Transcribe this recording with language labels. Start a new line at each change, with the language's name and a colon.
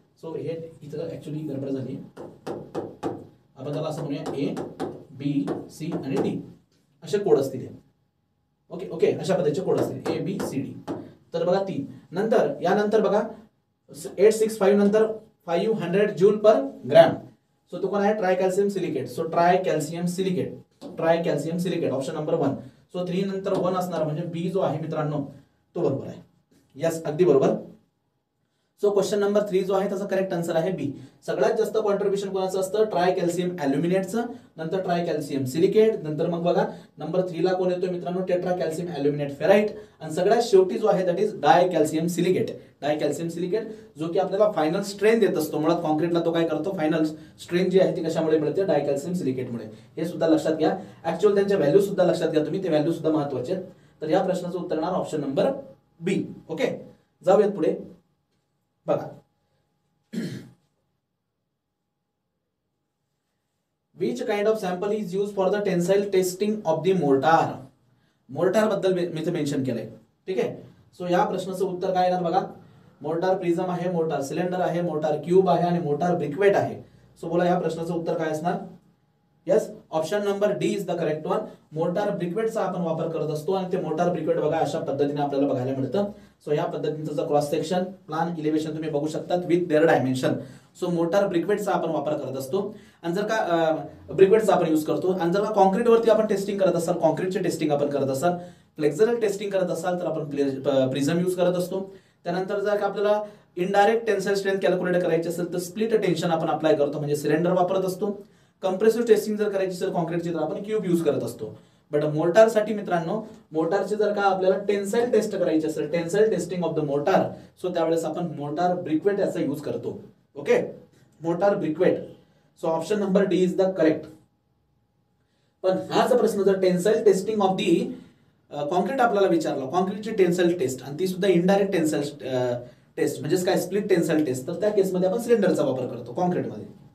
Marathi: So हे इथं actually गडबड झाली, आपण त्याला असं म्हणूया ए बी सी आणि डी असे कोड असतील, ओके ओके, अशा पद्धतीचे कोड असतील ए बी सी डी. तर बघा 3, नंतर यानंतर बघा 865 नंतर 500 जूल पर ग्रॅम. सो तो कोण आहे, try calcium silicate. So try calcium silicate, try calcium silicate option number 1. So 3 नंतर 1 असणार, म्हणजे बी जो आहे मित्रांनो तो बरोबर आहे. यस, अगदी बरोबर. सो क्वेश्चन नंबर 3 जो आहे त्याचा करेक्ट आन्सर आहे बी. सगळ्यात जास्त कॉन्ट्रीब्युशन कोणाचं असतं, ट्राय कॅल्शियम अल्युमिनेटचं, नंतर ट्राय कॅल्शियम सिलिकेट, नंतर मग बघा नंबर 3 ला कोण येतो मित्रांनो, टेट्रा कॅल्शियम अल्युमिनेट फेराइट, आणि सगळ्यात शेवटी जो आहे
English: That is dicalcium silicate.
Marathi: Dye calcium silicate जो की आपल्याला फायनल स्ट्रेंथ देत असतो, मुळात कॉन्क्रीटला तो काय करतो, फायनल स्ट्रेंथ जी आहे ती कशामुळे मिळते, डाय कॅल्शियम सिलिकेटमुळे. हे सुद्धा लक्षात घ्या, ऍक्च्युअल त्यांच्या व्हॅल्यू सुद्धा लक्षात घ्या तुम्ही, ते व्हॅल्यू सुद्धा महत्वाचे आहेत. तर या प्रश्नाचं उत्तर येणार ऑप्शन नंबर बी. ओके, जाऊयात पुढे.
English: बघा, which kind of sample is use for the tensile testing of the mortar.
Marathi: Mortar बद्दल मी ते मेन्शन केलंय, ठीक आहे. सो या प्रश्नाचं उत्तर काय येणार बघा, मोर्टार प्रिझम आहे, मोर्टार सिलेंडर आहे, मोर्टार क्यूब आहे आणि मोर्टार ब्रिकवेट आहे. सो बोला या प्रश्नाचं उत्तर काय असणार.
English: Yes, option number D is the correct one.
Marathi: Mortar ब्रिकवेटचा आपण वापर करत असतो आणि ते मोर्टार ब्रिकवेट बघा अशा पद्धतीने आपल्याला बघायला मिळतं. सो या पद्धतीचं क्रॉस सेक्शन प्लान इलिव्हेशन तुम्ही बघू शकतात
English: With their dimension.
Marathi: So mortar ब्रिकवेटचा आपण वापर करत असतो, आणि जर का ब्रिकवेटचा आपण युज करतो, आणि जर का कॉन्क्रीटवरती आपण टेस्टिंग करत असाल, कॉन्क्रीटचे टेस्टिंग आपण करत असाल, फ्लेक्झरल टेस्टिंग करत असाल, तर आपण प्रिझम यूज करत असतो. त्यानंतर जर का आपल्याला इनडायरेक्ट टेन्साइल स्ट्रेंथ कॅल्क्युलेट करायची असेल, तर स्प्लिट टेन्शन आपण अप्लाय करतो, म्हणजे सिलेंडर वापरत असतो. कंप्रेसिव्ह टेस्टिंग जर करायची असेल कॉन्क्रीटची, तर आपण क्यूब यूज करत असतो. बट मोर्टारसाठी मित्रांनो, मोर्टारची जर का आपल्याला टेन्साइल टेस्ट करायची असेल,
English: tensile testing of the mortar,
Marathi: so त्यावेळेस आपण मोर्टार ब्रिकवेट याचा यूज करतो. Okay, mortar ब्रिकवेट.
English: So option number D is the correct.
Marathi: पण हाच प्रश्न जर
English: tensile testing of the concrete
Marathi: आपल्याला विचारला, कॉन्क्रीटची टेन्साइल टेस्ट आणि ती सुद्धा इनडायरेक्ट टेन्साइल टेस्ट म्हणजे काय, स्प्लिट टेन्साइल टेस्ट, तर त्या केसमध्ये आपण सिलेंडरचा वापर करतो कॉन्क्रीटमध्ये.